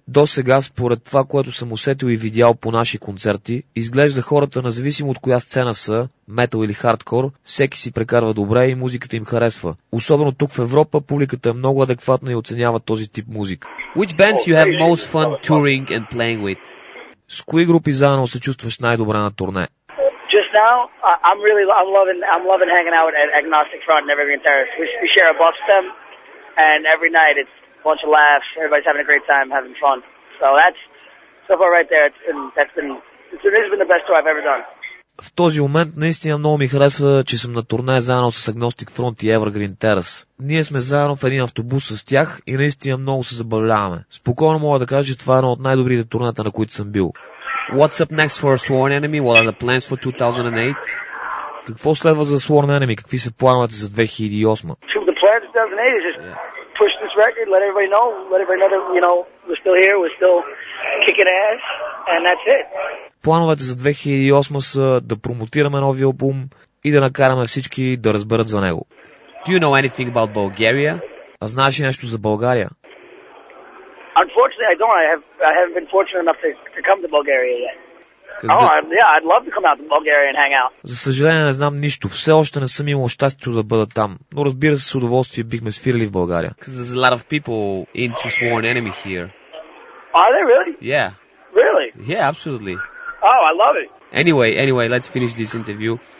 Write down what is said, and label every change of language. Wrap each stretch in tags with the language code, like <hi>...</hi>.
<bg>До сега, според това, което съм усетил и видял по наши концерти, изглежда хората, независимо от коя сцена са, метал или хардкор, всеки си прекарва добре и музиката им харесва. Особено тук в Европа, публиката е много адекватна и оценява този тип музика.</bg> <en>Which bands you have most fun touring and playing with?</en> <bg>С кои групи заедно се чувстваш най-добре на турне?</bg> <en>Just now, I'm loving hanging out at Agnostic Front and Evergreen Terrace. We share a bus with them, and every night it's a bunch of laughs. Everybody's having a great time, having fun. So that's so far right there. It's been the best tour I've ever done.</en> <bg>В този момент наистина много ми харесва, че съм на турне заедно с Agnostic Front и Evergreen Terrace. Ние сме заедно в един автобус с тях и наистина много се забавляваме. Спокойно мога да кажа, че това е едно от най-добрите турнета, на които съм бил.</bg> <en>What's up next for Sworn Enemy? What are the plans for 2008?</en> <bg>Какво следва за Sworn Enemy? Какви са плановете за 2008?</bg> <en>The plan for 2008 is just push this record, let everybody know that, you know, we're still here, we're still kicking ass, and that's it.</en> <bg>Плановете за 2008 са да промотираме новия албум и да накараме всички да разберат за него.</bg> <en>Do you know anything about Bulgaria?</en> <bg>А знаеш ли нещо за България?</bg> <en>Unfortunately, I don't. I haven't been fortunate enough to come to Bulgaria yet. I'd love to come out to Bulgaria and hang out.</en> <bg>За съжаление, не знам нищо. Все още не съм имал щастието да бъда там. Но разбира се, с удоволствие бихме свирили в България.</bg> <en>Because there's a lot of people into Sworn Enemy here. Are they really? Yeah. Really? Yeah, absolutely. Oh, I love it. Anyway, let's finish this interview.</en>